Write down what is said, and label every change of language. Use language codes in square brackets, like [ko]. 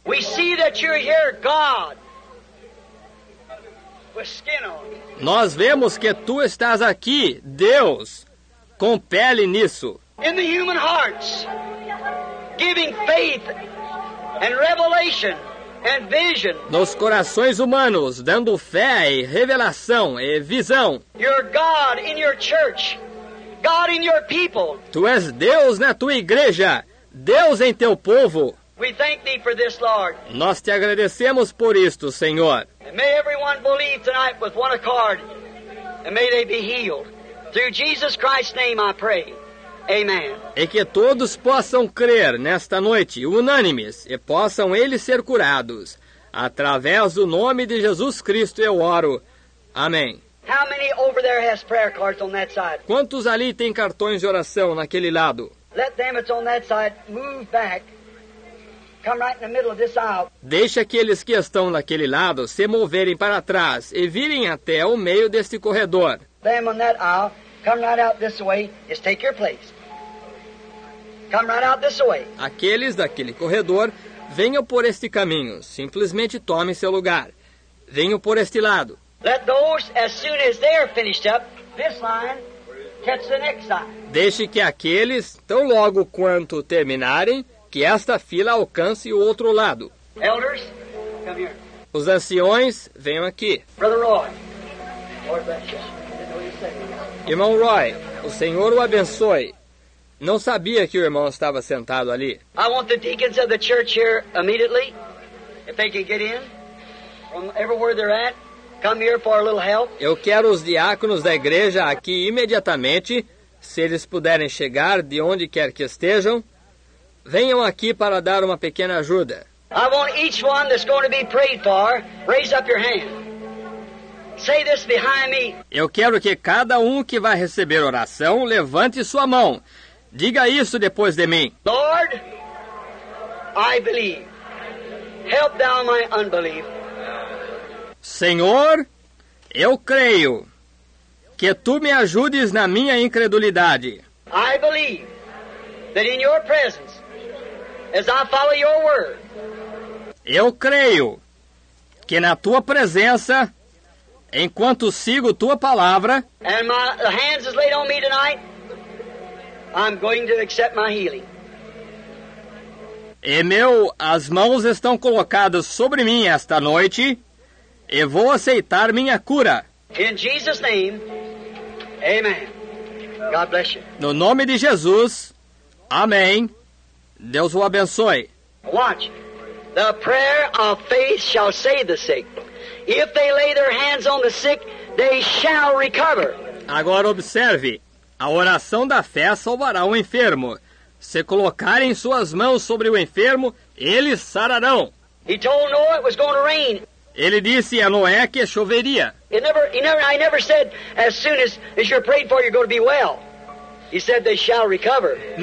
[en] We see that you're here, God, with skin on. [pt] Nós vemos que tu estás aqui, Deus, com pele nisso. [en] In the human hearts, giving faith and revelation and vision. [pt] Nos corações humanos, dando fé e revelação e visão. [en] You're God in your church, God in your people. [pt] Tu és Deus na tua igreja, Deus em teu povo. [en] We thank thee for this, Lord. [pt] Nós te agradecemos por isto, Senhor. [en] And may everyone believe tonight with one accord, and may they be healed. Through Jesus Christ's name I pray. Amen. [pt] E que todos possam crer nesta noite, unânimes, e possam eles ser curados. Através do nome de Jesus Cristo eu oro. Amém. [en] How many over there has prayer cards on that side? [pt] Quantos ali têm cartões de oração naquele lado? [en] Let them that's on that side move back. Come right in the middle of this aisle. [pt] Deixe aqueles que estão naquele lado se moverem para trás e virem até o meio deste corredor. [en] Them on that aisle, come right out this way, just take your place. Come right out this way. [pt] Aqueles daquele corredor, venham por este caminho, simplesmente tome seu lugar. Venham por este lado. [en] Let those, as soon as they are finished up, this line, catch the next line. [pt] Deixe que aqueles, tão logo quanto terminarem, que esta fila alcance o outro lado. [en] Elders, come here. [pt] Os anciões, venham aqui. [en] Brother Roy, Lord bless you. I didn't know you were [pt] Irmão Roy, o Senhor o abençoe. Não sabia que o irmão estava sentado ali. [en] I want the deacons of the church here immediately. If they can get in from everywhere they're at, come here for a little help. [pt] Eu quero os diáconos da igreja aqui imediatamente, se eles puderem chegar de onde quer que estejam. Venham aqui para dar uma pequena ajuda. [en] I want each one that's going to be prayed for, raise up your hand. Say this behind me. [pt] Eu quero que cada um que vai receber oração levante sua mão. Diga isso depois de mim. [en] Lord, I believe. Help thou my unbelief. [pt] Senhor, eu creio. Que tu me ajudes na minha incredulidade. [en] I believe that in your presence, as I follow your word. [pt] Eu creio que na tua presença, enquanto sigo tua palavra, [en] and my hands is laid on me tonight, I'm going to accept my healing. [pt] E as mãos estão colocadas sobre mim esta noite, e vou aceitar minha cura. [en] In Jesus' name, amen. God bless you. [pt] No nome de Jesus, amém. Deus o abençoe. [en] Watch. The prayer of faith shall save the sick. If they lay their hands on the sick, they shall recover. [pt] Agora observe. A oração da fé salvará o enfermo. Se colocarem suas mãos sobre o enfermo, eles sararão. [en] He told Noah it was going to rain. [pt] Ele disse a Noé que choveria. [en] I never said as soon as you're prayed for, you're going to be well. He said they shall recover.